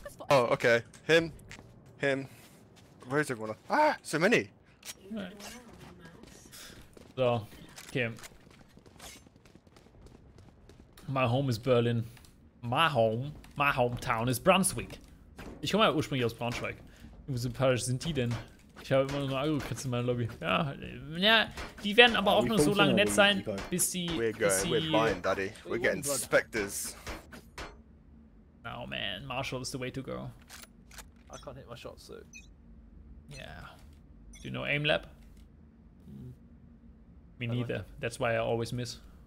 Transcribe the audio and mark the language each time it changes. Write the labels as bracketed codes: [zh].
[en] Oh, okay. Him. Where's everyone? Ah, so many. So, Kim. My home is Berlin. My hometown is Brunswick. [de] Ich komme ja ursprünglich aus Braunschweig. Wie sympathisch sind die denn? Ich habe immer nur Agro-Kritz in meiner Lobby. Ja, die werden aber auch nur so lange nett sein, bis sie... [en] We're fine, Daddy. We're getting spectres. Oh man, Marshall is the way to go. I can't hit my shots, so. Yeah. Do you know aim lab? Me neither. Like, that's why I always miss.